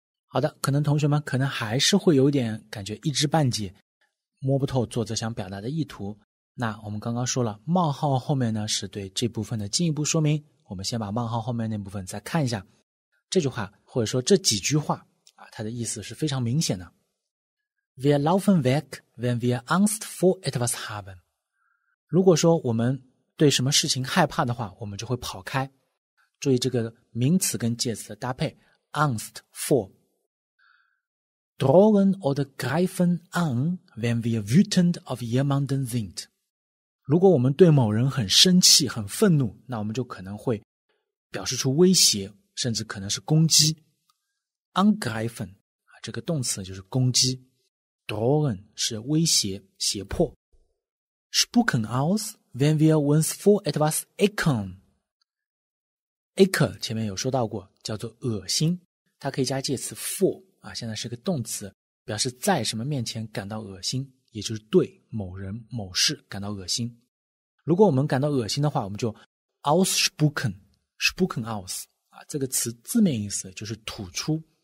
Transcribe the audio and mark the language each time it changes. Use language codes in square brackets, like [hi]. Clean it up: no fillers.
[zh] 好的，可能同学们可能还是会有点感觉一知半解，摸不透作者想表达的意图。那我们刚刚说了冒号后面呢是对这部分的进一步说明，我们先把冒号后面那部分再看一下这句话，或者说这几句话啊，它的意思是非常明显的。 [de] Wir laufen weg, wenn wir Angst vor etwas haben. [zh] 如果说我们对什么事情害怕的话，我们就会跑开。注意这个名词跟介词的搭配 ,Angst vor. [de] Drohen oder greifen an, wenn wir wütend auf jemanden sind. [zh] 如果我们对某人很生气、很愤怒，那我们就可能会表示出威胁，甚至可能是攻击。 Angreifen, 这个动词就是攻击。Drohen 是威胁、胁迫。 [de] Spucken aus, wenn wir uns vor etwas ekeln. [zh] Ekel 前面有说到过，叫做恶心，它可以加介词 vor, 现在是个动词，表示在什么面前感到恶心，也就是对某人、某事感到恶心。如果我们感到恶心的话，我们就 ausspucken, spucken aus, 这个词字面意思就是吐出。